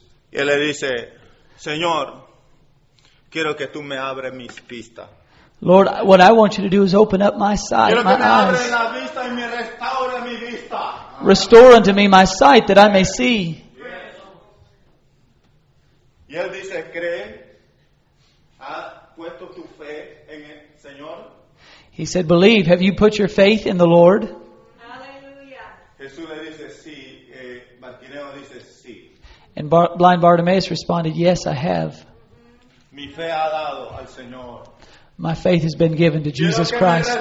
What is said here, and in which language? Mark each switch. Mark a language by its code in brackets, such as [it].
[es] Y él le dice, Señor, quiero que tú me abres mis vistas. [en] Lord, what I want you to do is open up my sight, [es] quiero [en] my [es] que me [en] eyes. [es] Abre la vista y me restaure mi vista. [en] Restore unto me my sight that I may see. [es] Y él dice, cree, has puesto tu fe en el Señor. [en] He said, believe, have you put your faith in the Lord? Hallelujah. [es] Jesús le dice, sí. Bartimeo dice, sí. [en] And blind Bartimaeus responded, yes, I have. [es] Mi fe ha dado al Señor. [en] My faith has been given to Jesus Christ.